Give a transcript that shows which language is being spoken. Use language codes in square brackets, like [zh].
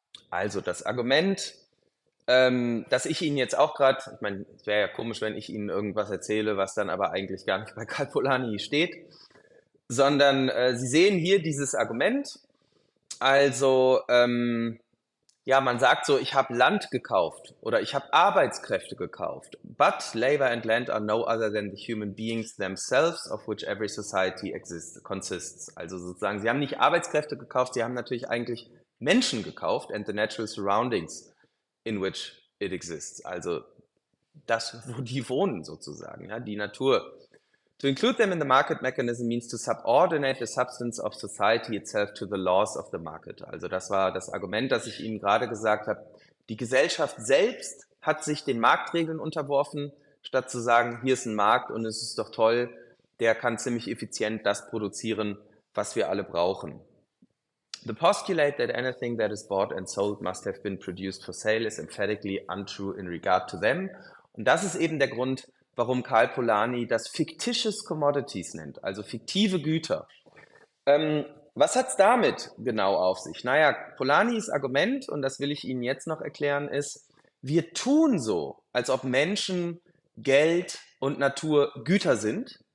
[de] Also das Argument, das ich Ihnen jetzt auch gerade, ich meine, es wäre ja komisch, wenn ich Ihnen irgendwas erzähle, was dann aber eigentlich gar nicht bei Karl Polanyi steht, sondern Sie sehen hier dieses Argument. Also ja, man sagt so, ich habe Land gekauft oder ich habe Arbeitskräfte gekauft. [en] But labor and land are no other than the human beings themselves, of which every society consists. [de] Also sozusagen, Sie haben nicht Arbeitskräfte gekauft, Sie haben natürlich eigentlich Menschen gekauft [en] and the natural surroundings in which it exists. [de] Also das, wo die wohnen sozusagen, ja, die Natur. [en] To include them in the market mechanism means to subordinate the substance of society itself to the laws of the market. [de] Also das war das Argument, das ich Ihnen gerade gesagt habe. Die Gesellschaft selbst hat sich den Marktregeln unterworfen, statt zu sagen, hier ist ein Markt und es ist doch toll, der kann ziemlich effizient das produzieren, was wir alle brauchen. [en] The postulate that anything that is bought and sold must have been produced for sale is emphatically untrue in regard to them. [de] Und das ist eben der Grund, warum Karl Polanyi das fictitious commodities nennt, also fiktive Güter. Was hat es damit genau auf sich? Naja, Polanyis Argument, und das will ich Ihnen jetzt noch erklären, ist, wir tun so, als ob Menschen, Geld und Natur Güter sind.